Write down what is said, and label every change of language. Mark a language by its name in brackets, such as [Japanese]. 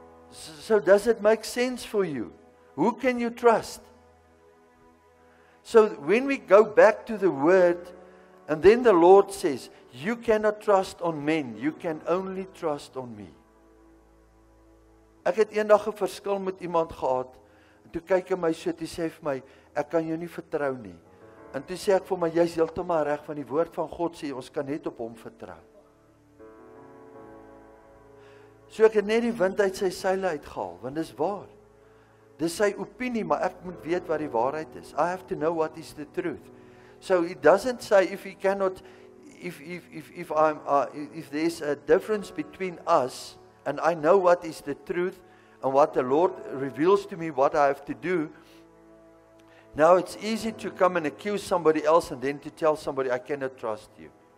[English] So does it make sense for you? Who can you trust? So when we go back to the word, and then the Lord says, you cannot trust on men, you can only trust on me. [Afrikaans] Ek het eendag 'n verskil met iemand gehad, en toe kyk hy my so, toe sê vir my, ek kan jou nie vertrou nie. En toe sê ek vir my, jy is heeltemal reg, van die woord van God sê, ons kan net op hom vertrou. So ek het net die wind uit sy seile uitgehaal, want dis waar. Dis sy opinie, maar ek moet weet wat die waarheid is. [English] I have to know what is the truth. So he doesn't say if he cannot, if there's a difference between us, and I know what is the truth, and what the Lord reveals to me, what I have to do. Now it's easy to come and accuse somebody else and then to tell somebody, I cannot trust you.